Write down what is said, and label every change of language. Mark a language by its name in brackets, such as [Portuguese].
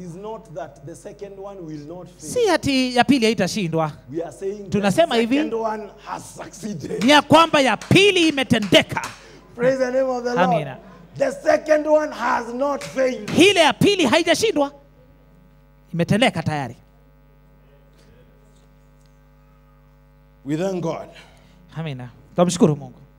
[English] Is not that the second one will not fail. [Swahili] Si ati ya pili haitashindwa. [English] We are saying [Swahili] tunasema [English] the second one has succeeded. [Swahili] Ni ya kwamba ya pili imetendeka. [English] Praise the name of the Lord. [Swahili] Amina. [English] The second one has not failed. [Swahili] Hile ya pili haijashindwa. Imetendeka tayari. [English] We thank God. [Swahili] Amina. Tumshukuru Mungu.